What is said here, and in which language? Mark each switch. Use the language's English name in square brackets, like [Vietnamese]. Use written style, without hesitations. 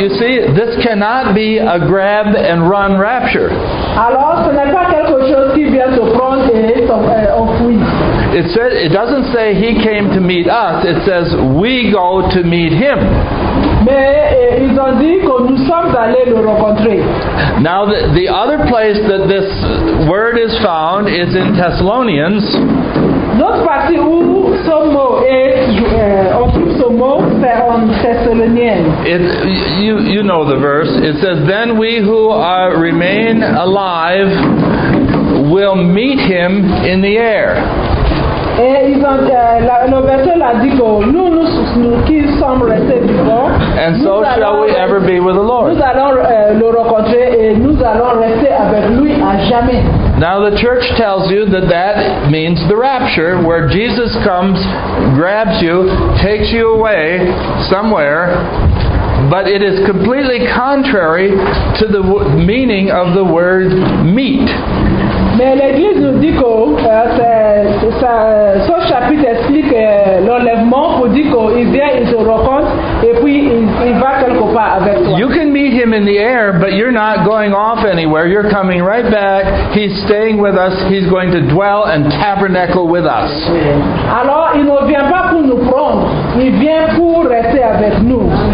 [English] You see, this cannot be a grab and run rapture. [French] Alors, ce n'est pas quelque chose qui vient se prendre et s'enfuit. [English] It doesn't say he came to meet us, it says we go to meet him. [French] Mais ils ont dit que nous sommes allés le rencontrer. [English] Now the other place that this word is found is in Thessalonians. [French] L'autre partie où ce mot est, on trouve ce mot, c'est en Thessalonien. [English] You know the verse. It says, then we who are remain alive will meet him in the air. [French] Et ils ont, le verset l'a dit que nous qui sommes restés vivants, [English] and so shall we ever be with the Lord. [French] Nous allons le rencontrer et nous allons rester avec lui à jamais. [English] Now the church tells you that means the rapture, where Jesus comes, grabs you, takes you away somewhere, but it is completely contrary to the meaning of the word meet. [French] Mais l'Église nous dit que ce chapitre explique l'enlèvement pour dire qu'il vient, il se rencontre et puis il va quelque part avec toi. [English] You can meet him in the air, but you're not going off anywhere. You're coming right back. He's staying with us. He's going to dwell and tabernacle with us. [French] Alors, il ne vient pas pour nous prendre. Il vient pour rester avec nous.